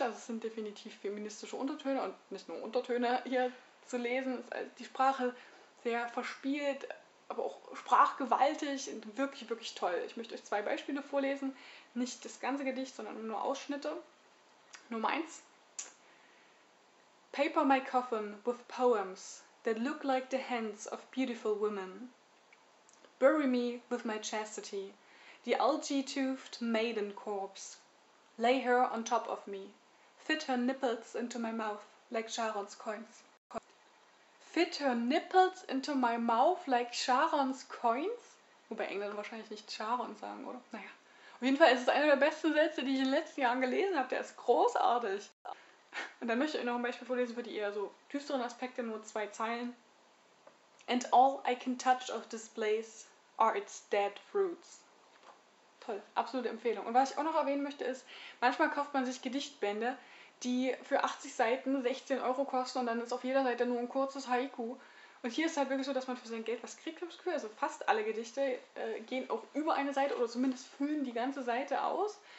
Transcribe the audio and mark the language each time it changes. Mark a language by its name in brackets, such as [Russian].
[German] Also es sind definitiv feministische Untertöne und nicht nur Untertöne hier zu lesen. Also die Sprache sehr verspielt, aber auch sprachgewaltig und wirklich, wirklich toll. Ich möchte euch zwei Beispiele vorlesen. Nicht das ganze Gedicht, sondern nur Ausschnitte. Nummer 1. [English] Paper my coffin with poems that look like the hands of beautiful women. Bury me with my chastity, the algae-toothed maiden corpse. Lay her on top of me. Fit her nipples into my mouth like Charon's coins. Fit her nipples into my mouth like Charon's coins? [German] Wobei Engländer wahrscheinlich nicht Charon sagen, oder? Naja. Auf jeden Fall ist es einer der besten Sätze, die ich in den letzten Jahren gelesen habe. Der ist großartig. Und dann möchte ich noch ein Beispiel vorlesen für die eher so düsteren Aspekte, nur zwei Zeilen. [English] And all I can touch of this place are its dead fruits. [German] Toll, absolute Empfehlung. Und was ich auch noch erwähnen möchte ist, manchmal kauft man sich Gedichtbände, die für 80 Seiten 16 Euro kosten und dann ist auf jeder Seite nur ein kurzes Haiku. Und hier ist halt wirklich so, dass man für sein Geld was kriegt, habe ich gehört. Also fast alle Gedichte gehen auch über eine Seite oder zumindest füllen die ganze Seite aus.